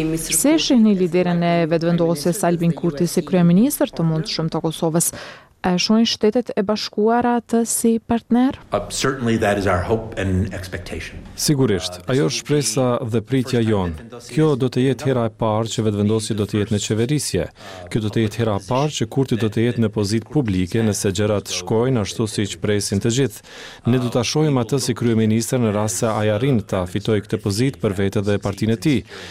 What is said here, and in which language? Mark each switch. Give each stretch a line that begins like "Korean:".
Albanian: Se shihni liderin e vetëvendosjes Albin Kurti si kryeministër të mundshëm të Kosovës? A shohin Shtetet e Bashkuara të si partner?
English: Certainly that is our hope and expectation.
Albanian: Sigurisht, ajo është shpresa dhe pritja jonë. Kjo do të jetë hera e parë që vetëvendosja do të jetë në qeverisje. Kjo do të jetë hera e parë që Kurti do të jetë në pozitë publike nëse gjërat shkojnë ashtu siç presin të gjithë. Ne do ta shohim atë si kryeministër në rast se ai arrin ta fitojë këtë pozitë për veten dhe partinë e tij.